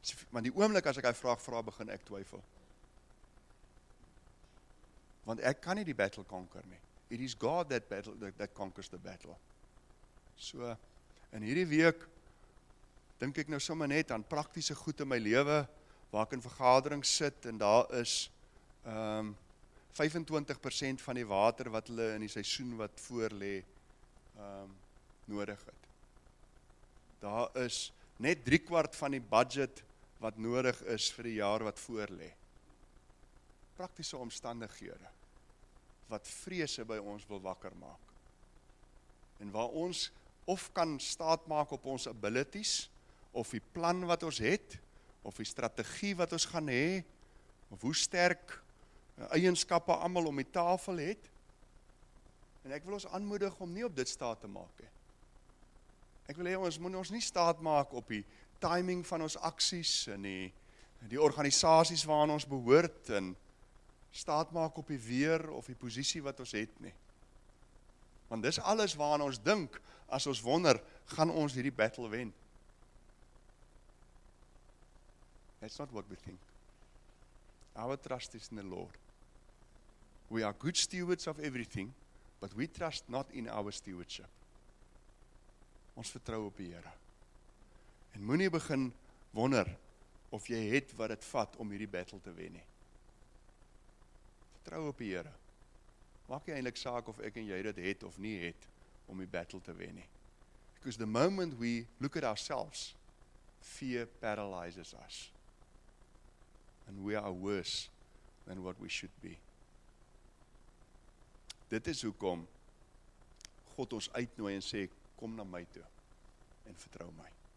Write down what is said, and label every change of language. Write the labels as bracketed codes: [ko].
[af] Want die oomblik as ek die vraag vra, begin ek twyfel. Want ek kan nie die battle conquer nie. [en] It is God that conquers the battle. [af] So, in hierdie week, dink ek nou sommer net aan praktiese goed in my lewe, waar ek in vergadering sit, en daar is 25% van die water wat hulle in die seisoen wat voorlê, nodig het. Daar is net 3/4 van die budget wat nodig is vir die jaar wat voorlê. Praktiese omstandighede, wat vrese by ons wil wakker maak. En waar ons of kan staat maak op ons abilities, of die plan wat ons het, of die strategie wat ons gaan hê, of hoe sterk eienskappe allemaal om die tafel het. En ek wil ons aanmoedig om nie op dit staat te maak. Ek wil hê ons moet ons nie staat maak op die timing van ons aksies, en die organisaties waaraan ons behoort, en staat maak op die weer of die posisie wat ons het nie. Want dis alles waaraan ons dink, as ons wonder, gaan ons hierdie battle wen? [en] That's not what we think. Our trust is in the Lord. We are good stewards of everything, but we trust not in our stewardship. [af] Ons vertrou op die Here. En moenie begin wonder of jy het wat het vat om hierdie battle te wen nie. Vertrou op die Here. Maak jy eintlik saak of ek en jy dit het of nie het om die battle te wen nie. [en] Because the moment we look at ourselves, fear paralyzes us. And we are worse than what we should be. [af] Dit is hoekom God ons uitnooi en sê, kom na my toe en vertrou my.